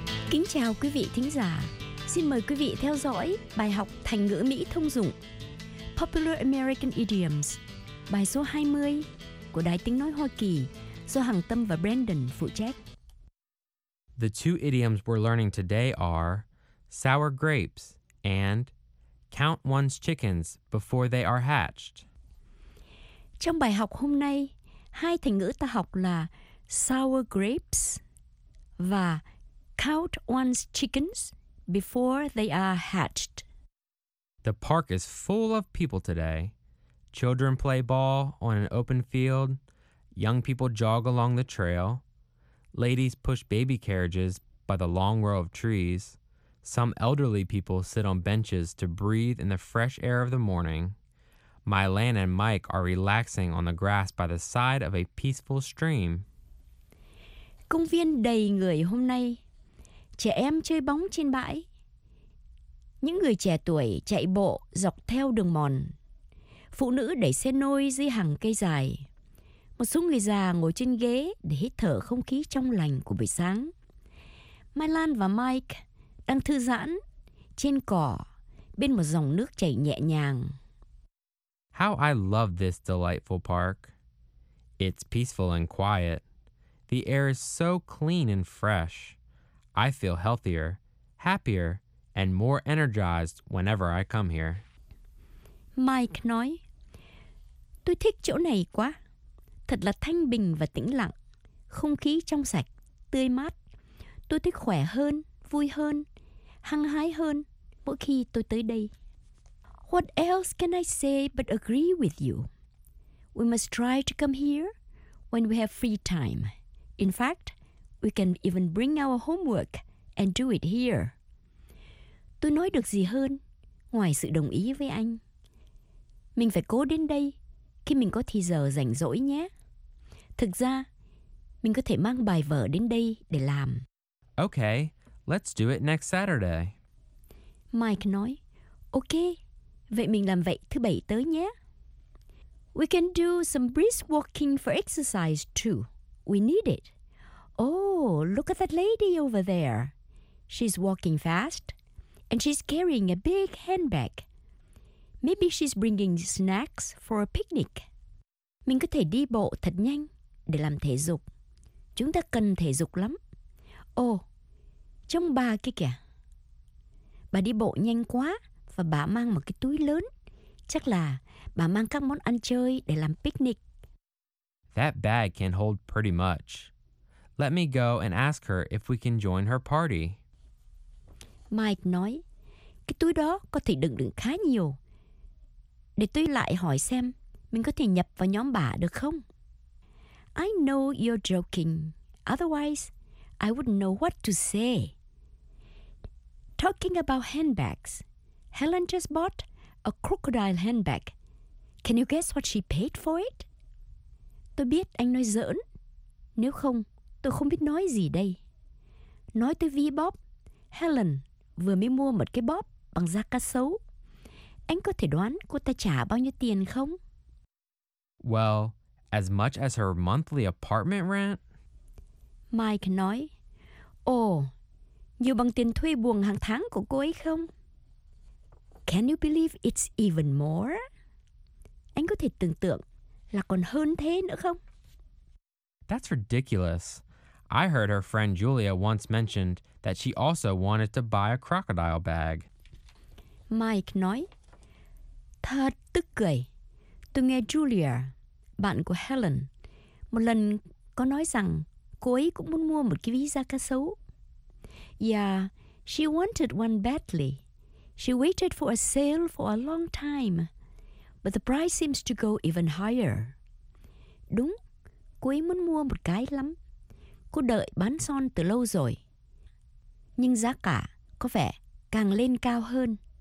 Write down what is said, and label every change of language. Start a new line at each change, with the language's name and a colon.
Vietnamese: Kính chào quý vị thính giả. Xin mời quý vị theo dõi bài học thành ngữ Mỹ thông dụng Popular American Idioms, bài số 20 của Đài Tiếng Nói Hoa Kỳ do Hằng Tâm và Brandon phụ trách.
English: The two idioms we're learning today are sour grapes and count one's chickens before they are hatched.
Vietnamese: Trong bài học hôm nay, hai thành ngữ ta học là
English: sour grapes
Vietnamese: và
English: count one's chickens before they are hatched. The park is full of people today. Children play ball on an open field. Young people jog along the trail. Ladies push baby carriages by the long row of trees. Some elderly people sit on benches to breathe in the fresh air of the morning. Mylan and Mike are relaxing on the grass by the side of a peaceful stream.
Vietnamese: Công viên đầy người hôm nay. Trẻ em chơi bóng trên bãi. Những người trẻ tuổi chạy bộ dọc theo đường mòn. Phụ nữ đẩy xe nôi dưới hàng cây dài. Một số người già ngồi trên ghế để hít thở không khí trong lành của buổi sáng. Mylan và Mike đang thư giãn trên cỏ bên một dòng nước chảy nhẹ nhàng.
English: How I love this delightful park. It's peaceful and quiet. The air is so clean and fresh. I feel healthier, happier, and more energized whenever I come here.
Vietnamese: Mike nói, tôi thích chỗ này quá. Thật là thanh bình và tĩnh lặng. Không khí trong sạch, tươi mát. Tôi thích khỏe hơn, vui hơn, hăng hái hơn mỗi khi tôi tới đây.
English: What else can I say but agree with you? We must try to come here when we have free time. In fact, we can even bring our homework and do it here.
Vietnamese: Tôi nói được gì hơn ngoài sự đồng ý với anh? Mình phải cố đến đây khi mình có thời giờ rảnh rỗi nhé. Thực ra, mình có thể mang bài vở đến đây để làm.
English: Okay, let's do it next Saturday.
Vietnamese: Mike nói, okay, vậy mình làm vậy thứ bảy tới nhé.
English: We can do some brisk walking for exercise too. We need it. Oh, look at that lady over there. She's walking fast and she's carrying a big handbag. Maybe she's bringing snacks for a picnic.
Vietnamese: Mình có thể đi bộ thật nhanh để làm thể dục. Chúng ta cần thể dục lắm. Ồ, trông bà kia kìa. Bà đi bộ nhanh quá và bà mang một cái túi lớn. Chắc là bà mang các món ăn chơi để làm picnic.
English: That bag can hold pretty much. Let me go and ask her if we can join her party.
Vietnamese: Mike nói, cái túi đó có thể đựng được khá nhiều. Để tôi lại hỏi xem mình có thể nhập vào nhóm bà được không?
English: I know you're joking. Otherwise, I wouldn't know what to say. Talking about handbags, Helen just bought a crocodile handbag. Can you guess what she paid for it?
Vietnamese: Tôi biết anh nói giỡn. Nếu không, tôi không biết nói gì đây. Nói tới ví bóp, Helen vừa mới mua một cái bóp bằng da cá sấu. Anh có thể đoán cô ta trả bao nhiêu tiền không?
English: Well, as much as her monthly apartment rent.
Vietnamese: Mike nói, ồ, nhiều bằng tiền thuê buồng hàng tháng của cô ấy không?
English: Can you believe it's even more?
Vietnamese: Anh có thể tưởng tượng là còn hơn thế nữa không?
English: That's ridiculous. I heard her friend Julia once mentioned that she also wanted to buy a crocodile bag.
Vietnamese: Mike nói, thật tức cười. Tôi nghe Julia, bạn của Helen, một lần có nói rằng cô ấy cũng muốn mua một cái ví da cá sấu.
English: Yeah, she wanted one badly. She waited for a sale for a long time. But the price seems to go even higher.
Vietnamese: Đúng, cô ấy muốn mua một cái lắm. Cô đợi bán son từ lâu rồi. Nhưng giá cả có vẻ càng lên cao hơn.